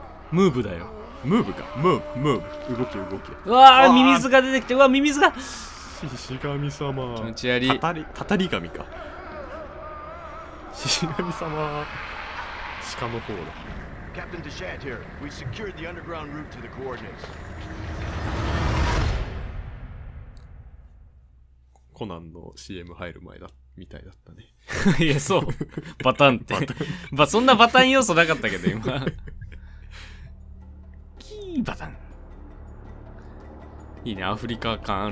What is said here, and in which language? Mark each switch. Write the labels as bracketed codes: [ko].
[ja] ムーブだよ、ムーブか、ムーブ、ムーブ、動け動け。うわー、ミミズが出てきて、うわ、ミミズが、シシガミ様、気持ち悪い、たたり神か、シシガミ様、鹿の方だ。 [en] Captain Deschat here. We secured the underground route to the coordinates. [ja] コナンの CM 入る前だみたいだったね。いや、そう、バタンって、まあ、そんなバタン要素なかったけど、今。バタン、いいね、アフリカ感ある、